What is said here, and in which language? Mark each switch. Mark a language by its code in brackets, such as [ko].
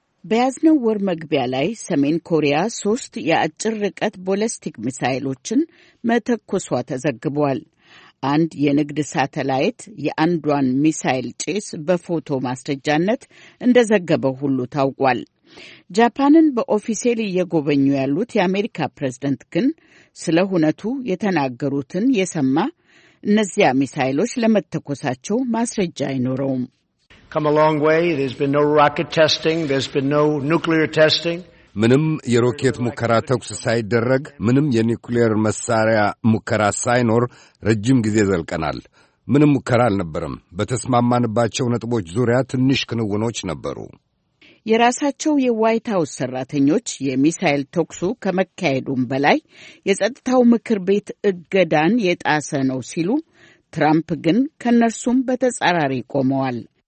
[am] በያዝነው ወር መግቢያ ላይ ሰሜን ኮሪያ ሶስት የአጭር ርቀት ቦለስቲክ ሚሳይሎችን መተኮሷ ተዘግቧል። አንድ የንግድ ሳተላይት የአንዷን ሚሳይል ጭስ በፎቶ ማስረጃነት እንደዘገበው ሁሉ ታውቋል። ጃፓንን በኦፊሴል እየጎበኙ ያሉት የአሜሪካ ፕሬዝደንት ግን ስለ ሁነቱ የተናገሩትን የሰማ እነዚያ ሚሳይሎች ለመተኮሳቸው ማስረጃ አይኖረውም። [en] Come a long way. There's been no rocket testing. There's been no nuclear testing. [am] ምንም የሮኬት ሙከራ ተኩስ ሳይደረግ፣ ምንም የኒውክሌር መሳሪያ ሙከራ ሳይኖር ረጅም ጊዜ ዘልቀናል። ምንም ሙከራ አልነበረም። በተስማማንባቸው ነጥቦች ዙሪያ ትንሽ ክንውኖች ነበሩ። የራሳቸው የዋይት ሀውስ ሰራተኞች የሚሳይል ተኩሱ ከመካሄዱም በላይ የጸጥታው ምክር ቤት እገዳን የጣሰ ነው ሲሉ፣ ትራምፕ ግን ከእነርሱም በተጻራሪ ቆመዋል።